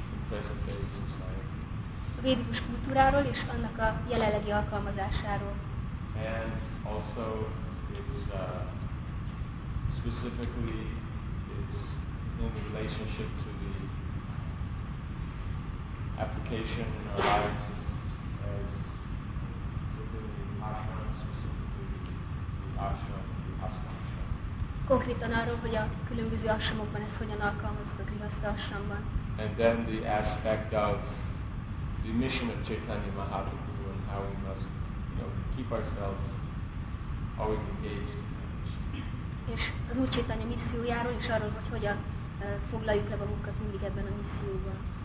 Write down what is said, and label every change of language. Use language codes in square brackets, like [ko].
[hu] védikus kultúráról és annak a jelenlegi alkalmazásáról. [en] And also it's specifically is in relationship to the application in our lives as within the ashram, specifically the ashram, the ashram. [hu] Konkrétan arról, hogy a különböző ashramokban ez hogyan alkalmazok a grihasta ashramban. [en] And then the aspect of the mission of Chaitanya Mahaprabhu and how we must, you know, keep ourselves always engaged. [hu] És az Úr Chaitanya missziójáról és arról, hogy hogyan foglaljuk le magunkat mindig ebben a misszióban.